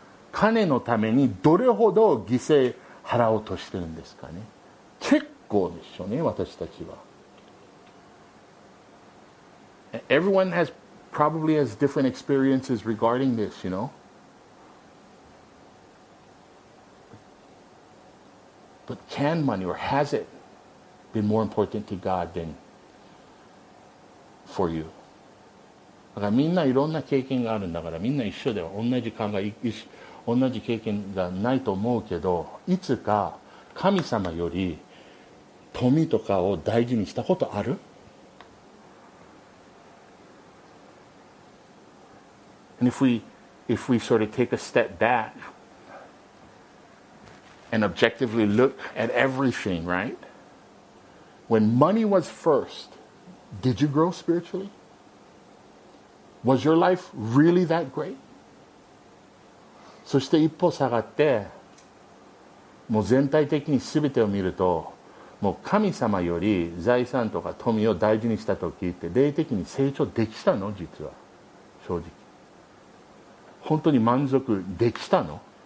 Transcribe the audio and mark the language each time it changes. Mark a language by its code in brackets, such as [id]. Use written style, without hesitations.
[ja] 金のためにどれほど犠牲払おうとしてるんですかね。結構でしょうね、私たちは。 [en] Everyone has probably has different experiences regarding this, you know. But can money or has it been more important to God than for you? [ja] だからみんないろんな経験があるんだから、みんな一緒では同じ考え、同じ経験がないと思うけど、いつか神様より富とかを大事にしたことある？ [en] And if we sort of take a step back and objectively look at everything, right? When money was first, did you grow spiritually? Was your life really that great? [ja] そして一歩下がって、もう全体的に全てを見ると、もう神様より財産とか富を大事にした時って霊的に成長できたの？実は正直本当に満足できたの？